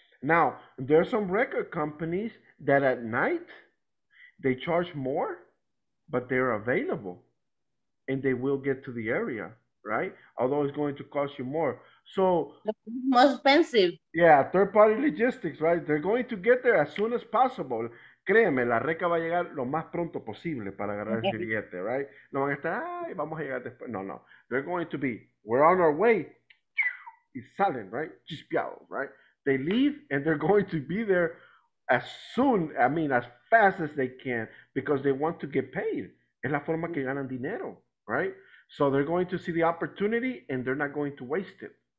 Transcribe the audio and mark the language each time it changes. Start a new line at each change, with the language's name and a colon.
English: Now, there are some record companies that at night, they charge more. But they're available and they will get to the area, right? Although it's going to cost you more. So most expensive. Yeah, third party logistics, right? They're going to get there as soon as possible.
Spanish: Créeme, la reca va a llegar lo más pronto posible para agarrar ese billete, right? No van a estar, ay, vamos a llegar después. No, no.
English: They're going to be, we're on our way.
Spanish: Y salen,
English: right? Chispeado, right? They leave and they're going to be there as soon, I mean, as fast as they can because they want to get paid.
Spanish: Es la forma que ganan dinero,
English: right? So they're going to see the opportunity and they're not going to waste it.